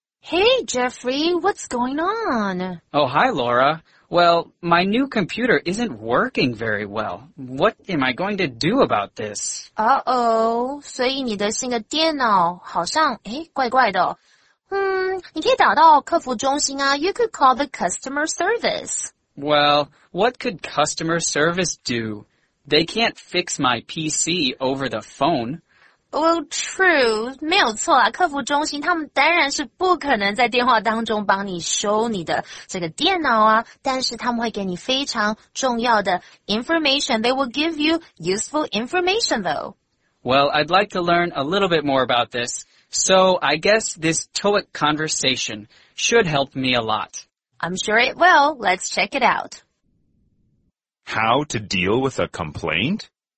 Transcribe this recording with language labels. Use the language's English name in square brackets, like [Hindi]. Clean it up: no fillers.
[English] Hey, Jeffrey, what's going on? Oh, hi, Laura. Well, my new computer isn't working very well. What am I going to do about this? [Chinese] Uh-oh, 所以你的新的电脑好像怪怪的。你可以打到客服中心啊。 [English] You could call the customer service. Well, what could customer service do? They can't fix my PC over the phone. [Chinese] Well, true, 没有错啦，客服中心他们当然是不可能在电话当中帮你修你的这个电脑啊，但是他们会给你非常重要的 information. [English] They will give you useful information, though. Well, I'd like to learn a little bit more about this. So, I guess this TOEIC conversation should help me a lot. I'm sure it will. Let's check it out. How to deal with a complaint?